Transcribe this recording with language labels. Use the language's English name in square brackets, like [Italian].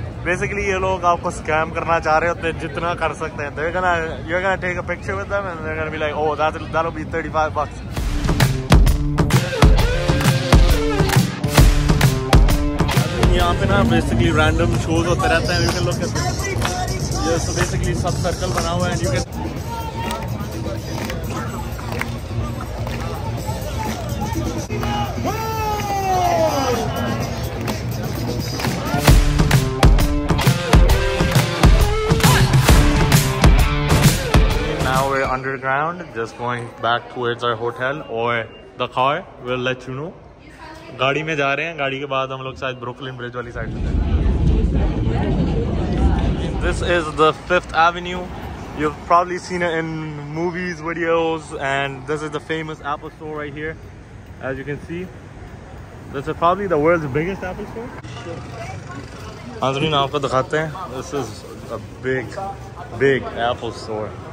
[Hindi] Basically, ये लोग आपको स्कैम करना चाह रहे होते हैं जितना कर सकते हैं। [English] They're gonna, you're gonna take a picture with them and they're gonna be like, oh, that'll be $35. [Hindi] यहाँ पे ना बेसिकली रैंडम शोज होते रहते हैं। [English] you can look at this, [Hindi] so basically सब सर्कल बना हुआ है [English] And you can underground, just going back towards our hotel or the car, we'll let you know. [Hindi] गाड़ी में जा रहे हैं, गाड़ी के बाद हम लोग शायद ब्रुकलिन ब्रिज वाली साइड चलते हैं। [English] This is the Fifth Avenue. You've probably seen it in movies, videos, and this is the famous Apple store right here. As you can see, this is probably the world's biggest Apple store. [Hindi] आज़रीन आपको दिखाते हैं। [English] This is a big, big Apple store.